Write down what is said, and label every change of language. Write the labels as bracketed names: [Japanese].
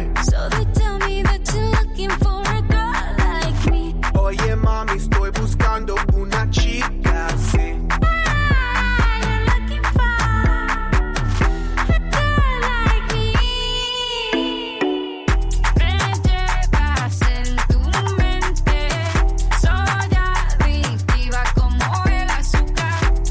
[English] So they tell me that you're looking for a girl like me. [Spanish] Oye, mami, estoy buscando una chica, sí. [English] I am looking for a girl like me. [Spanish] Me llevas en tu mente. Soy adictiva como el azúcar.